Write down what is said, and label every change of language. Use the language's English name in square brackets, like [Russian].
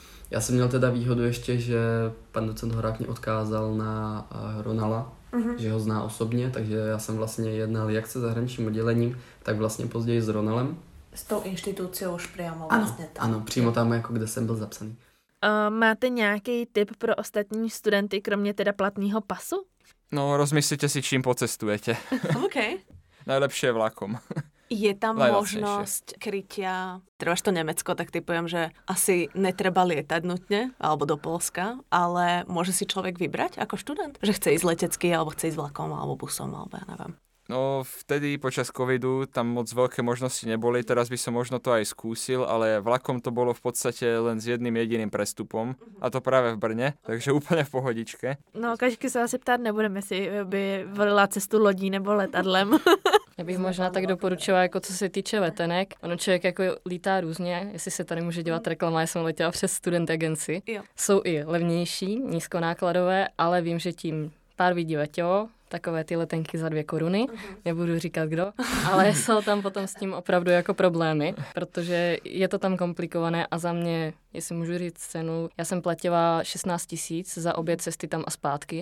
[Czech] Já jsem měl teda výhodu ještě, že pan docent Horák mě odkázal na Ronala, že ho zná osobně, takže já jsem vlastně jednal jak se zahraničním oddělením, tak vlastně později s Ronalem. S tou institucí už přímo vlastně tam. Ano, přímo tam, jako kde jsem byl zapsaný. Máte nějaký tip pro ostatní studenty, kromě teda platného pasu? [Slovak] No, rozmyslite si, čím pocestujete. OK. Najlepšie vlakom. Je tam možnosť krytia, trváš to Nemecko, tak typujem, že asi netreba lietať nutne, alebo do Polska, ale môže si človek vybrať ako študent, že chce ísť letecky, alebo chce ísť vlakom, alebo busom, alebo ja neviem. No, vtedy počas covidu tam moc veľké možnosti neboli, teraz by som možno to aj skúsil, ale vlakom to bolo v podstate len s jedným jediným prestupom, a to práve v Brne, takže úplne v pohodičke. [Czech] No, [Slovak] každý sa asi [Czech] ptát nebudeme, si by volila cestu lodí nebo letadlem. Já bych možná tak doporučovala, jako co se týče letenek. Ono člověk jako lítá různě, jestli se tady může dělat reklama, já jsem letěla přes student agency. Jsou i levnější, nízkonákladové, ale vím, že tím pár vidíte, jo, takové ty letenky za 2 koruny, nebudu říkat kdo, ale jsou tam potom s tím opravdu jako problémy, protože je to tam komplikované a za mě, jestli můžu říct cenu, já jsem platila 16 000 za obě cesty tam a zpátky.